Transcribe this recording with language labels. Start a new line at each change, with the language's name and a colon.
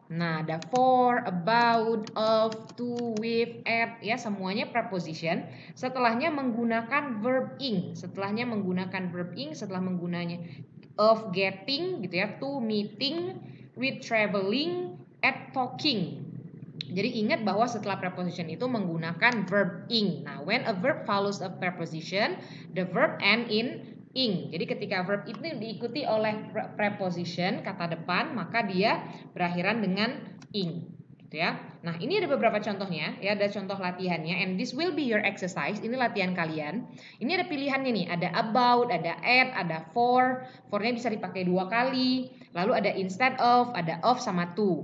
Indonesian: Nah, ada for, about, of, to, with, at ya, semuanya preposition. Setelahnya menggunakan verb ing, setelahnya menggunakan verb ing, setelah menggunanya of getting gitu ya, to meeting, with traveling, at talking. Jadi ingat bahwa setelah preposition itu menggunakan verb ing.
English: Nah, when a verb follows a preposition, the verb end in ing.
Indonesian: Jadi ketika verb itu diikuti oleh preposition kata depan, maka dia berakhiran dengan ing, gitu ya. Nah, ini ada beberapa contohnya, ya, ada contoh latihannya,
English: and this will be your exercise,
Indonesian: ini latihan kalian. Ini ada pilihannya nih, ada about, ada at, ada for, for-nya bisa dipakai dua kali, lalu ada instead of sama to.